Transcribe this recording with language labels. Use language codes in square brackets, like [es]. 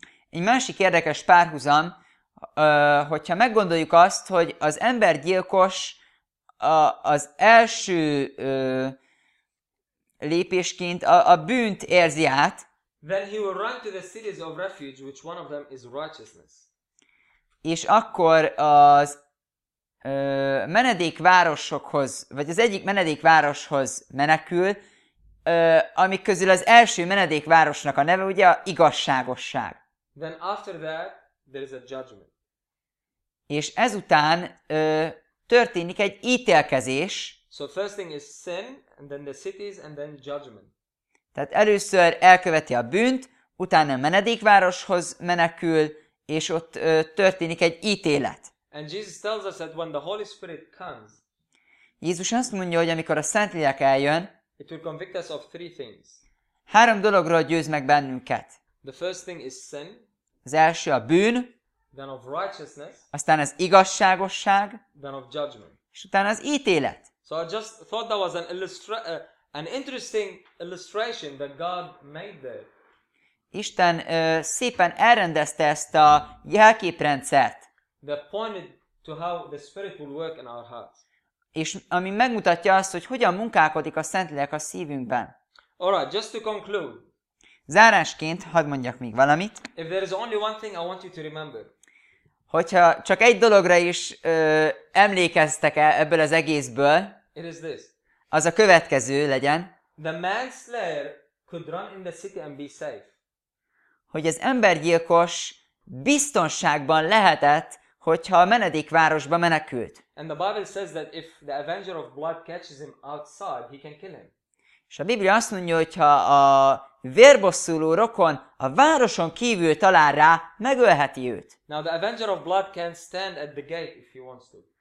[hu] Egy másik érdekes párhuzam, hogyha meggondoljuk azt, hogy az embergyilkos az első lépésként a bűnt érzi át, [en] then he will run to the cities of refuge, which one of them is righteousness. [hu] És akkor az menedékvárosokhoz, vagy az egyik menedékvároshoz menekül, amik közül az első menedékvárosnak a neve ugye a igazságosság. [en] Then after that, there is a judgment. [hu] És ezután történik egy ítélkezés. [en] So first thing is sin, and then the cities, and then judgment. [hu] Tehát először elköveti a bűnt, utána a menedékvároshoz menekül, és ott történik egy ítélet. [en] And Jesus tells us that when the Holy Spirit comes, [hu] Jézus azt mondja, hogy amikor a Szentlélek eljön, [en] it will convict us of three things. [hu] Három dologról győz meg bennünket. [en] The first thing is sin, [hu] az első a bűn, [en] then of righteousness, [hu] aztán az igazságosság, [en] then of judgment, [hu] és utána az ítélet. [en] So I just thought that was an interesting illustration that God made there. [hu] Isten szépen elrendezte ezt a jelképrendszert. [en] That pointed to how the Spirit will work in our hearts. [hu] És ami megmutatja azt, hogy hogyan munkálkodik a Szentlélek a szívünkben. [en] All right, just to conclude. [hu] Zárásként hadd mondjak még valamit. [en] If there is only one thing I want you to remember. [hu] Hogyha csak egy dologra is emlékeztek ebből az egészből. [en] It is this. [hu] Az a következő legyen. [en] The manslayer could run in the city and be safe. [hu] Hogy az embergyilkos biztonságban lehetett, hogyha a menedékvárosba menekült. [en] And the Bible says that if the avenger of blood catches him outside, he can kill him. [hu] És a Biblia azt mondja, hogyha a vérbosszuló rokon a városon kívül talál rá, megölheti őt. [en] Now the avenger of blood can stand at the gate if he wants to.